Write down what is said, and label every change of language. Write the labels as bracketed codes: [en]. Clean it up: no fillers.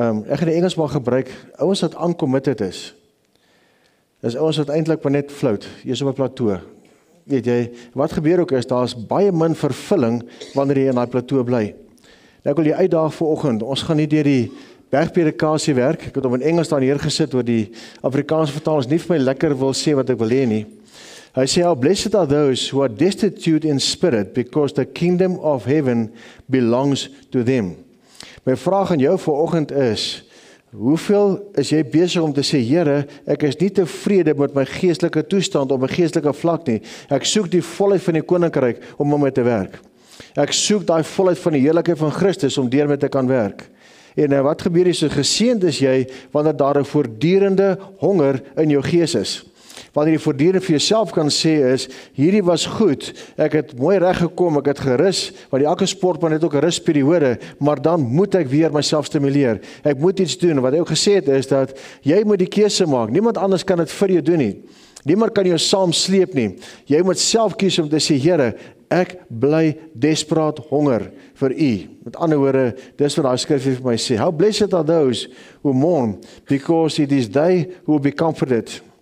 [af] Ek gaan die Engels maar gebruik, ouens wat uncommitted is. Dis ouens wat eintlik maar net float, jy's op 'n plateau. Weet jy, wat gebeur ook is daar's baie min vervulling wanneer jy in daai plateau bly. Nou ek wil jou uitdaag vir oggend, ons gaan nie deur die bergpredikasie werk. Ek het hom in Engels daar neergesit oor die Afrikaanse vertaling is nie vir my lekker wil sê wat ek wil hê nie. Hy sê, [en] how blessed are those who are destitute in spirit because the kingdom of heaven belongs to them. [af] My vraag aan jou vir oggend is, hoeveel is jy besig om te sê, Here, ek is nie tevrede met my geestelike toestand op 'n geestelike vlak nie. Ek soek die volheid van die koninkryk om met my te werk. Ek soek daai volheid van die heerlikheid van Christus om deur met te kan werk. En wat gebeur is, geseend is jy, wanneer daar 'n voortdurende honger in jou gees is. Wanneer jy voortdurend vir jouself kan sê is, hierdie was goed, ek het mooi reg gekom, ek het gerus, want elke sportman het ook 'n rusperiode, maar dan moet ek weer myself stimuleer. Ek moet iets doen. Wat hy ook gesê het is, dat jy moet die keuse maak, niemand anders kan dit vir jou doen nie. Niemand kan jou saam sleep nie. Jy moet self kies om te sê, Here, ek bly desperaat honger vir u. Met ander woorde, dis wat daai skrif vir my sê. [en] How blessed are those who mourn, because it is they who will be comforted.